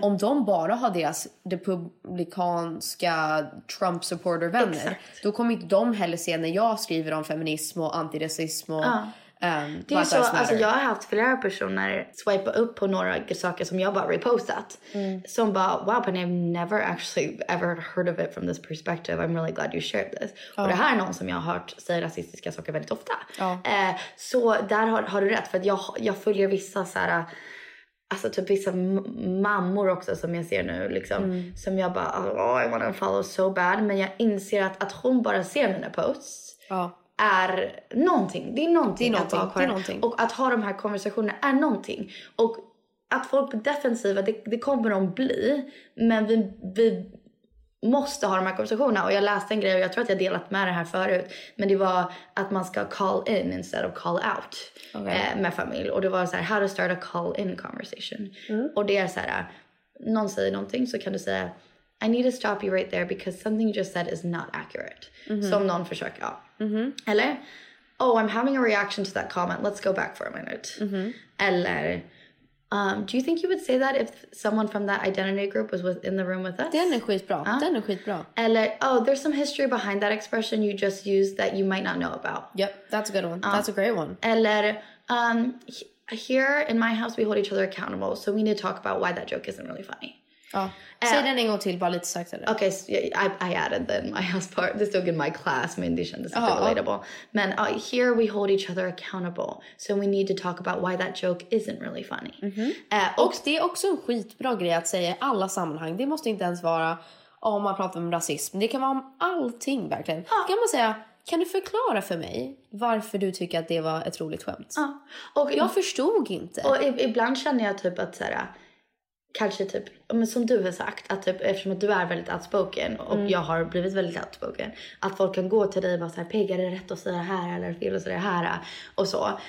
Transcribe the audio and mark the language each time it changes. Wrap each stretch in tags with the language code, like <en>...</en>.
<sv>Om de bara har deras republikanska Trump supporter vänner. Då kommer inte de heller se när jag skriver om feminism och antirasism och det är så, alltså jag har haft flera personer swipa upp på några saker som jag bara repostat. Som bara,</sv> <en>wow, but I've never actually ever heard of it from this perspective. I'm really glad you shared this.</en> <sv>Och det här är någon som jag har hört säga rasistiska saker väldigt ofta. Så där har du rätt, för att jag följer vissa såhär, alltså typ vissa mammor också som jag ser nu liksom, som jag bara,</sv> <en>oh, I want to follow so bad.</en> <sv>Men jag inser att hon bara ser mina posts. Är någonting. Det är någonting. Det är någonting. Och att ha de här konversationerna är någonting. Och att folk är defensiva, det kommer de bli. Men vi måste ha de här konversationerna. Och jag läste en grej och jag tror att jag delat med det här förut. Men det var att man ska</sv> <en>call in instead of call out.</en> <sv>Med familj. Och det var så här,</sv> <en>how to start a call in conversation.</en> <sv>Och det är så här, någon säger någonting så kan du säga,</sv> <en>I need to stop you right there because something you just said is not accurate.</en> <sv>Som någon försöker, ja.</sv> <en>Eller, oh, I'm having a reaction to that comment. Let's go back for a minute. Eller, do you think you would say that if someone from that identity group was in the room with us?</en> <sv>Den är skitbra. Den är skitbra.</sv> <en>Eller, oh, there's some history behind that expression you just used that you might not know about. Yep, that's a good one. That's a great one. Eller, here in my house we hold each other accountable, so we need to talk about why that joke isn't really funny.</en> <sv>Säg den en gång till, bara lite saktare.</sv> <en>Okay, so I added the in my house part.</en> <sv>Det stod</sv> <en>in my class,</en> <sv>men det kändes inte relatable.</sv> <en>Men here we hold each other accountable, so we need to talk about why that joke isn't really funny.</en> <sv>Och det är också en skitbra grej att säga i alla sammanhang. Det måste inte ens vara om man pratar om rasism. Det kan vara om allting, verkligen. Kan man säga, kan du förklara för mig varför du tycker att det var ett roligt skämt? Och jag förstod inte. Och ibland känner jag typ att såhär, kanske typ, men som du har sagt, att typ, eftersom att du är väldigt outspoken och jag har blivit väldigt outspoken, att folk kan gå till dig och bara såhär, Pegg, är det rätt att säga det här eller fel att säga det här och så.</sv>